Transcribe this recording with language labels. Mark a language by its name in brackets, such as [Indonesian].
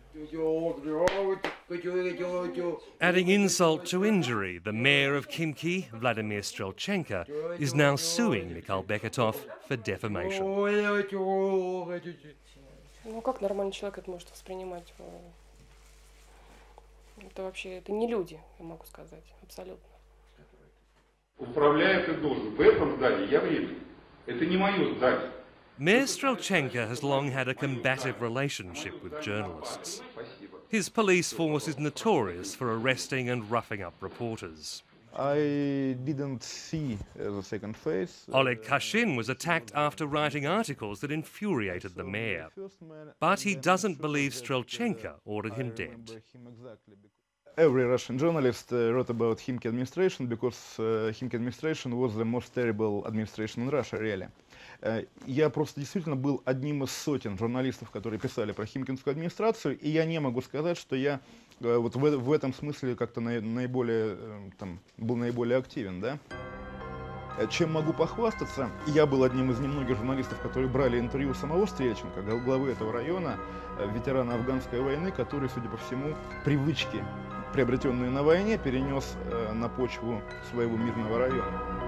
[English] Adding insult to injury, the mayor of Khimki, Vladimir Strelchenko, is now suing Mikhail Beketov for defamation. [Russian] Ну как нормальный человек это может воспринимать? Это вообще это не люди, я могу сказать, абсолютно. Управляя ты должен. В этом здании я временно. Это не мое здание. [English] Mayor Strelchenko has long had a combative relationship with journalists. His police force is notorious for arresting and roughing up reporters. I didn't see the second phase. Oleg Kashin was attacked after writing articles that infuriated the mayor. But he doesn't believe Strelchenko ordered him dead. Every Russian journalist wrote about Himki administration because Himki administration was the most terrible administration in Russia, really. [Russian] Я просто действительно был одним из сотен журналистов, которые писали про Химкинскую администрацию, и я не могу сказать, что я вот в этом смысле как-то наиболее там был наиболее активен, да? Чем могу похвастаться? Я был одним из немногих журналистов, которые брали интервью самого Стрельченко, главы этого района, ветерана афганской войны, который, судя по всему, привычки, приобретенные на войне, перенес на почву своего мирного района.